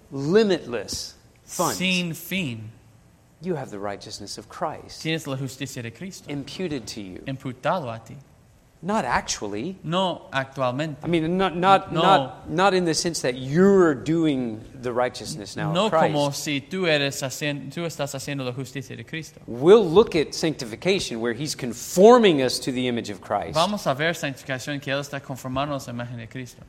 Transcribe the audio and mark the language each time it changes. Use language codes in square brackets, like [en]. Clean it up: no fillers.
[en] Limitless funds. [es] Sin fin. [en] You have the righteousness of Christ. [es] Tienes la justicia de Cristo. [en] Imputed to you. [es] Imputado a ti. [en] Not actually. [es] No actualmente. [en] I mean, not in the sense that you're doing the righteousness now. [es] No [en] of Christ. [es] Como si tú estás haciendo la justicia de Cristo. [en] We'll look at sanctification where he's conforming us to the image of Christ. [es] Vamos a ver sanctificación que él está conformando a la imagen de Cristo.